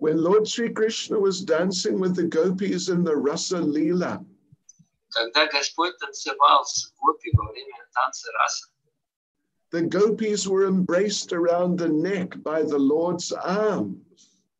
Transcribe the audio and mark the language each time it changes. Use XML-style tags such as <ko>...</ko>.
<en>When Lord Sri Krishna was dancing with the gopis in the Rasa Leela,</en> <ru>когда Господь танцевал с гопи во время танца Раса,</ru> <en>the gopis were embraced around the neck by the Lord's arms.</en>